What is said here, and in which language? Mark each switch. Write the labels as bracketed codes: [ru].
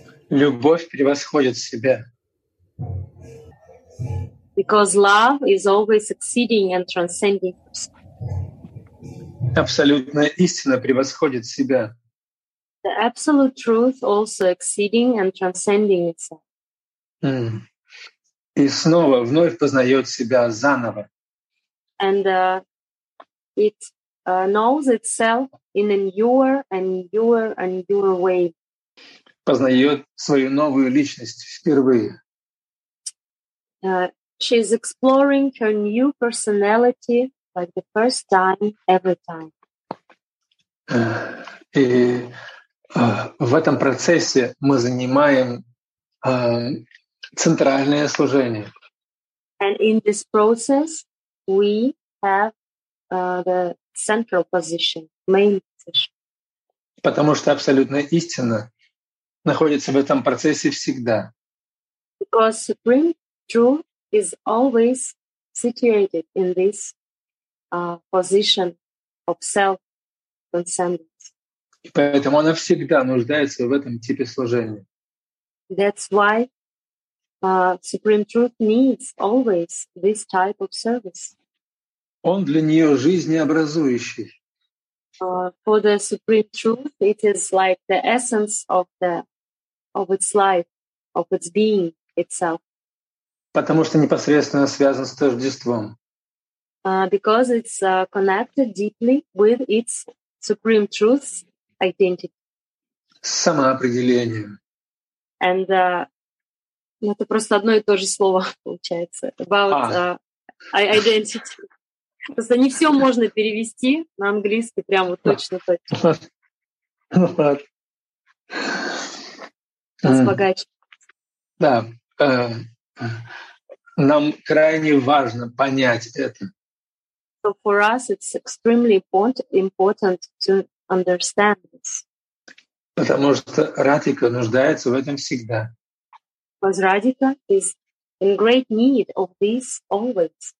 [ru] Любовь превосходит себя. [en] Because love is always exceeding and transcending herself. [ru] Абсолютная истина превосходит себя. [en] The absolute truth also exceeding and transcending itself. Mm. [ru] И снова, вновь познает себя заново. [en] And it knows itself in a newer and newer and newer way. [ru] Познает свою новую личность впервые. [en] She is exploring her new personality like the first time, every time. [ru] И в этом процессе мы занимаем центральное служение. [en] And in this process, we have the central position, main position. [ru] Потому что абсолютная истина находится в этом процессе всегда. [en] Because supreme truth is always situated in this position of self-transcendence. [ru] И поэтому она всегда нуждается в этом типе служения. [en] That's why supreme truth needs always this type of service. [ru] Он для нее жизнеобразующий. [en] For the supreme truth, it is like the essence of the of its life, of its being itself. [ru] Потому что непосредственно связан с Тождеством. [en] Because it's connected deeply with its supreme truth's identity. [ru] С самоопределением. [en] And [ru] это просто одно и то же слово получается [en] about identity. [ru] Просто не все можно перевести на английский прямо точно-точно. Разбогаче. Да. Нам крайне важно понять это. [en] So for us it's extremely important to understand this. [ru] Потому что Радхика нуждается в этом всегда. [en] Because Radhika is in great need of this always.